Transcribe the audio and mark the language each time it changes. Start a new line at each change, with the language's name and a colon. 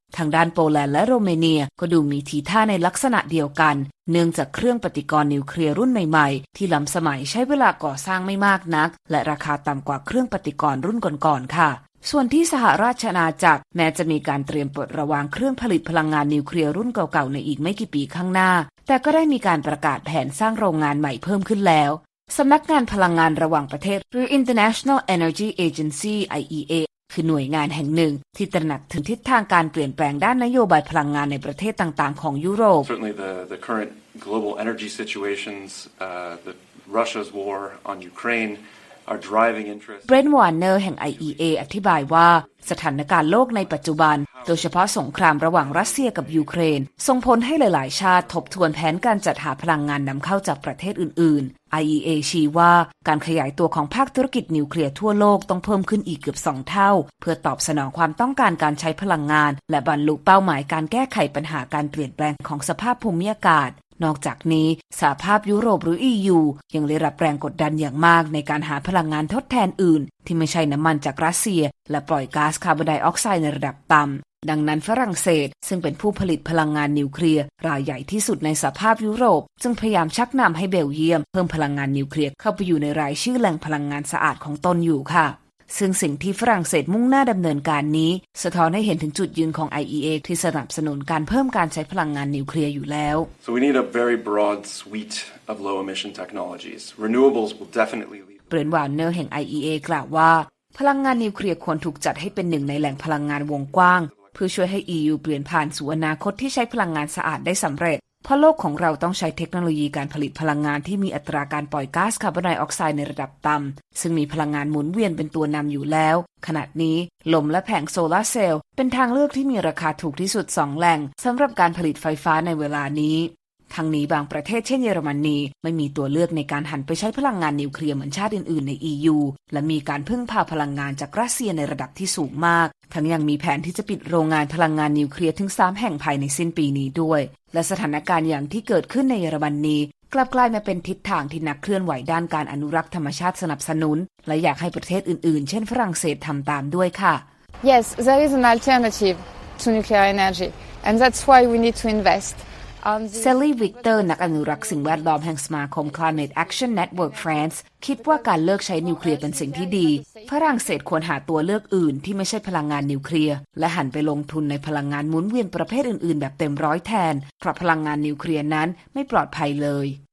Thai: ทางด้านโปแลนด์และโรมาเนียก็ดูมีทีท่าในลักษณะเดียวกันเนื่องจากเครื่องปฏิกรณ์นิวเคลียร์รุ่นใหม่ๆที่ล้ำสมัยใช้เวลาก่อสร้างไม่มากนักและราคาต่ำกว่าเครื่องปฏิกรณ์รุ่นก่อนๆค่ะส่วนที่สหราชอาณาจักรแม้จะมีการเตรียมปลดระวางเครื่องผลิตพลังงานนิวเคลียร์รุ่นเก่าๆในอีกไม่กี่ปีข้างหน้าแต่ก็ได้มีการประกาศแผนสร้างโรงงานใหม่เพิ่มขึ้นแล้ว สำนักงานพลังงานระหว่างประเทศหรือ International Energy Agency IEAคือหน่วยงานแห่งหนึ่งที่ตระหนักถึงทิศทางการเปลี่ยนแปลงด้านนโยบายพลังงานในประเทศต่างๆของยุโรป
English: Certainly the current global energy situations the Russia's war on Ukraine are driving interest
Thai: Brent Warner แห่ง IEA อธิบายว่าสถานการณ์โลกในปัจจุบันโดยเฉพาะสงครามระหว่างรัสเซียกับยูเครนส่งผลให้หลายๆชาติทบทวนแผนการจัดหาพลังงานนำเข้าจากประเทศอื่นๆ IEA ชี้ว่าการขยายตัวของภาคธุรกิจนิวเคลียร์ทั่วโลกต้องเพิ่มขึ้นอีกเกือบ2เท่าเพื่อตอบสนองความต้องการการใช้พลังงานและบรรลุเป้าหมายการแก้ไขปัญหาการเปลี่ยนแปลงของสภาพภูมิอากาศนอกจากนี้สหภาพยุโรปหรือ EU ยังได้รับแรงกดดันอย่างมากในการหาพลังงานทดแทนอื่นที่ไม่ใช่น้ำมันจากรัสเซียและปล่อยก๊าซคาร์บอนไดออกไซด์ในระดับต่ำดังนั้นฝรั่งเศสซึ่งเป็นผู้ผลิตพลังงานนิวเคลียร์รายใหญ่ที่สุดในสภาพยุโรปจึงพยายามชักนำให้เบลเยียมเพิ่มพลังงานนิวเคลียร์เข้าไปอยู่ในรายชื่อแหล่งพลังงานสะอาดของตนอยู่ค่ะซึ่งสิ่งที่ฝรั่งเศสมุ่งหน้าดำเนินการนี้สะท้อนให้เห็นถึงจุดยืนของ IEA ที่สนับสนุนการเพิ่มการใช้พลังงานนิวเคลียร์อยู่แล้ว
English: So we need a very broad suite of low emission technologies. Renewables will definitely lead.
Thai: เบรนท์ วาร์เนอร์แห่ง IEA กล่าวว่าพลังงานนิวเคลียร์ควรถูกจัดให้เป็นหนึ่งในแหล่งพลังงานวงกว้างเพื่อช่วยให้ EU เปลี่ยนผ่านสู่อนาคตที่ใช้พลังงานสะอาดได้สำเร็จเพราะโลกของเราต้องใช้เทคโนโลยีการผลิตพลังงานที่มีอัตราการปล่อยก๊าซคาร์บอนไดออกไซด์ในระดับต่ำซึ่งมีพลังงานหมุนเวียนเป็นตัวนำอยู่แล้วขณะนี้ลมและแผงโซลาร์เซลล์เป็นทางเลือกที่มีราคาถูกที่สุด2แหล่งสำหรับการผลิตไฟฟ้าในเวลานี้ ทางนี้บางประเทศเช่นเยอรมนีไม่มีตัวเลือกในการหันไปใช้พลังงานนิวเคลียร์เหมือนชาติอื่นๆใน EU และมีการพึ่งพาพลังงานจากรัสเซียในระดับที่สูงมากทั้งยังมีแผนที่จะปิดโรงงานพลังงานนิวเคลียร์ถึง3แห่งภายในสิ้นปีนี้ด้วยและสถานการณ์อย่างที่เกิดขึ้นในเยอรมนีกลับกลายมาเป็นทิศทางที่นักเคลื่อนไหวด้านการอนุรักษ์ธรรมชาติสนับสนุนและอยากให้ประเทศอื่นๆเช่นฝรั่งเศสทำตามด้วยค่ะ
English: Yes there is an alternative to nuclear energy and that's why we need to invest
Thai: เซลลี่วิกเตอร์นักอนุรักษ์สิ่งแวดล้อมแห่งสมาคม Climate Action Network France คิดว่าการเลิกใช้นิวเคลียร์เป็นสิ่งที่ดีฝรั่งเศสควรหาตัวเลือกอื่นที่ไม่ใช่พลังงานนิวเคลียร์และหันไปลงทุนในพลังงานหมุนเวียนประเภทอื่นๆแบบเต็มร้อยแทนเพราะพลังงานนิวเคลียร์นั้นไม่ปลอดภัยเลย